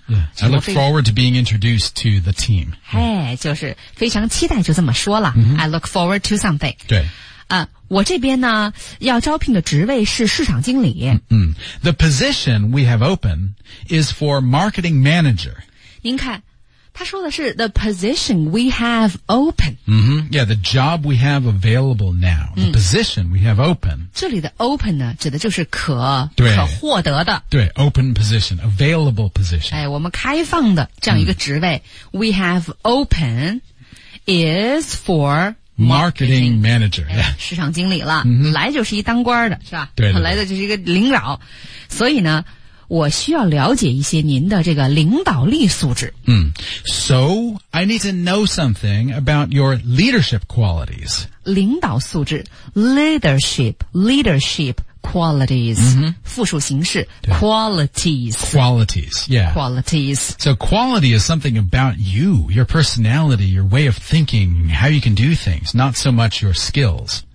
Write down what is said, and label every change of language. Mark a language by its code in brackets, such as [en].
[en] Yeah, I look forward to being introduced to the team. [zh] 嘿，就是非常期待，就这么说了。 [en] I look forward to something. [zh] 对。我这边呢要招聘的职位是市场经理。 [en] The position we have open is for marketing manager. [zh] 您看他说的是 [en] the position we have open、 yeah, the job we have available now、the position we have open [zh] 这里的 open 呢指的就是可对可获得的对 [en] open position available position [zh] 哎，我们开放的这样一个职位、 [en] we have open is for marketing manager、 [zh] 市场经理了、来就是一当官的是吧对来的就是一个领导所以呢我需要了解一些您的这个领导力素质。 [en] So, I need to know something about your leadership qualities. [zh] 领导素质 ,leadership qualities,、复数形式 qualities. [en] Qualities, yeah. Qualities. So quality is something about you, your personality, your way of thinking, how you can do things, not so much your skills.